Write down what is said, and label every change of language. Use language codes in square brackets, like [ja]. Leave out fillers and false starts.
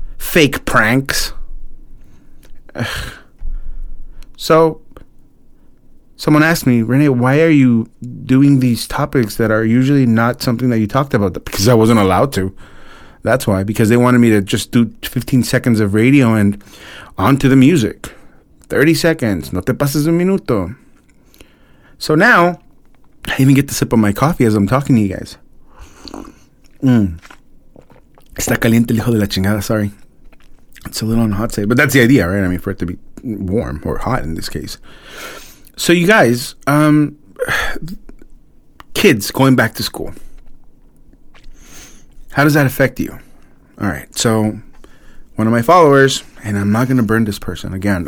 [en] Fake pranks. Ugh. So, someone asked me, Renee, why are you doing these topics that are usually not something that you talked about? Because I wasn't allowed to. That's why, because they wanted me to just do 15 seconds of radio and on to the music. 30 seconds. [es] No te pases un minuto. [en] So now, I even get to sip on my coffee as I'm talking to you guys. [es] Está caliente el hijo de la chingada. [en] Sorry. It's a little on the hot side. But that's the idea, right? I mean, for it to be warm or hot in this case. So you guys, kids going back to school. How does that affect you? All right. So one of my followers, and I'm not going to burn this person again.